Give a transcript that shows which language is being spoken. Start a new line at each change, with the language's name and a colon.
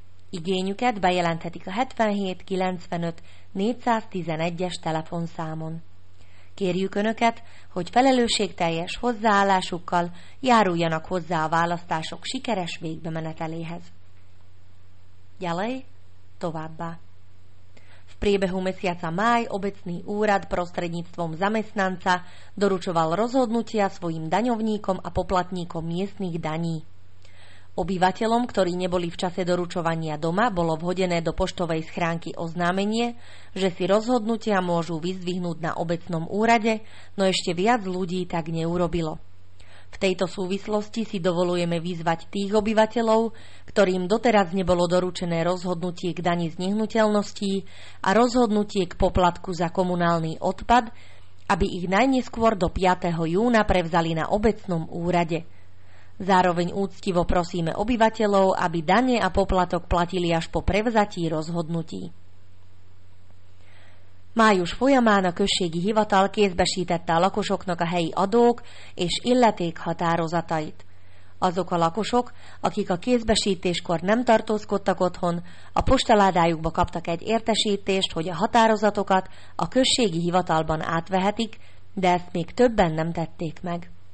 Hungarian: Igényüket bejelenthetik a 77 95 411-es telefonszámon. Kérjük Önöket, hogy felelősségteljes hozzáállásukkal járuljanak hozzá a választások sikeres végbemeneteléhez. Gyalej, továbbá.
Slovak: V priebehu mesiaca máj obecný úrad prostredníctvom zamestnanca doručoval rozhodnutia svojim daňovníkom a poplatníkom miestnych daní. Obyvateľom, ktorí neboli v čase doručovania doma, bolo vhodené do poštovej schránky oznámenie, že si rozhodnutia môžu vyzdvihnúť na obecnom úrade, no ešte viac ľudí tak neurobilo. V tejto súvislosti si dovolujeme vyzvať tých obyvateľov, ktorým doteraz nebolo doručené rozhodnutie k dani z nehnuteľností a rozhodnutie k poplatku za komunálny odpad, aby ich najneskôr do 5. júna prevzali na obecnom úrade. Zároveň úctivo prosíme obyvateľov, aby dane a poplatok platili až po prevzatí rozhodnutí.
Hungarian: Május folyamán a községi hivatal kézbesítette a lakosoknak a helyi adók és illeték határozatait. Azok a lakosok, akik a kézbesítéskor nem tartózkodtak otthon, a postaládájukba kaptak egy értesítést, hogy a határozatokat a községi hivatalban átvehetik, de ezt még többen nem tették meg.